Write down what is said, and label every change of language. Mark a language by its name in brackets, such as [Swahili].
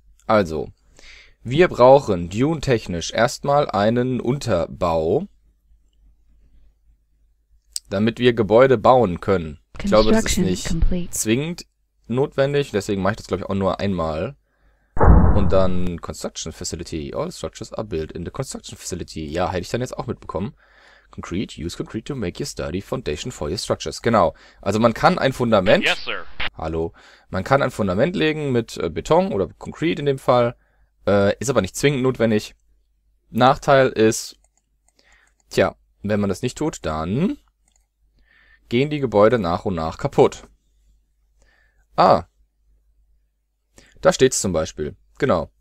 [German] Also, wir brauchen Dune-technisch erstmal einen Unterbau. damit wir Gebäude bauen können. Ich glaube, das ist nicht zwingend notwendig, deswegen mache ich das, glaube ich, auch nur einmal. Und dann Construction Facility. [English] All structures are built in the Construction Facility. [German] Ja, hätte ich dann jetzt auch mitbekommen. [English] Concrete, use concrete to make your sturdy foundation for your structures. [German] Genau. Also man kann ein Fundament... [English] Yes, sir. [German] Hallo. Man kann ein Fundament legen mit Beton oder Concrete in dem Fall. Ist aber nicht zwingend notwendig. Nachteil ist... Tja, wenn man das nicht tut, dann... gehen die Gebäude nach und nach kaputt. Ah. Da steht's zum Beispiel. Genau.